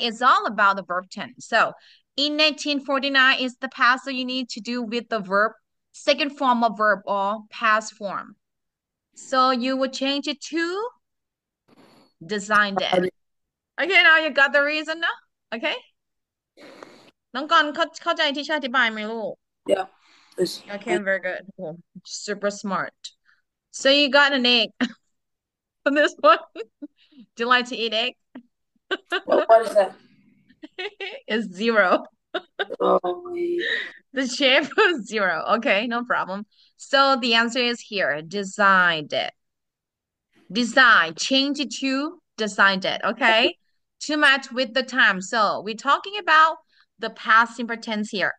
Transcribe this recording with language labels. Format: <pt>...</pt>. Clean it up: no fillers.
<en>It's all about the verb tense. So in 1949 is the past that you need to do with the verb, second form of verb or past form. So you would change it to designed it. Okay, now you got the reason now? Okay.</en> <th>น้องก่อนเข้าใจที่ฉันอธิบายไหมลูก</th> <en>Yeah, it's โอเค very good cool. super smart so you got an egg for this one do you like to eat egg what is that? it's zero Oh, wait. the shape was zero okay no problem so the answer is here designed it design change it to designed it okay too much with the time so we're talking about the past simple tense here.</en>